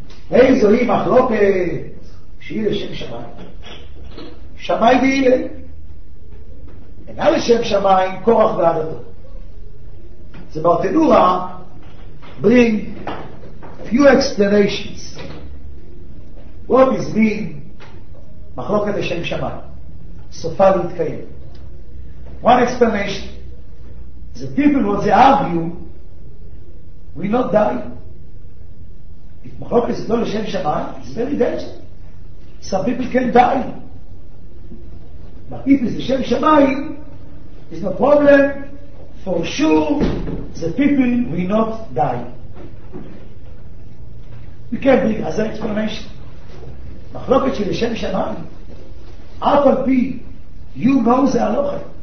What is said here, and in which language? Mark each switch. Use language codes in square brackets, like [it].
[he] איזו היא מחלוקת שהיא לשם שמיים? שמיים ואילה, אינה לשם שמיים קורח ועדתו. זה ברטנורה [en] bring few explanations what is mean [he] מחלוקת לשם שמיים סופה להתקיים. [en] One explanation, the people what they argue will not die. If מחלוקת is not [he] לשם שמיים, [en] it's very dangerous. Some people can die. But if it's [he] לשם שמיים, [en] it's no problem. For sure, the people will not die. We can bring other explanation. [he] מחלוקת של לשם שמיים, אף על פי [en] you know the halacha.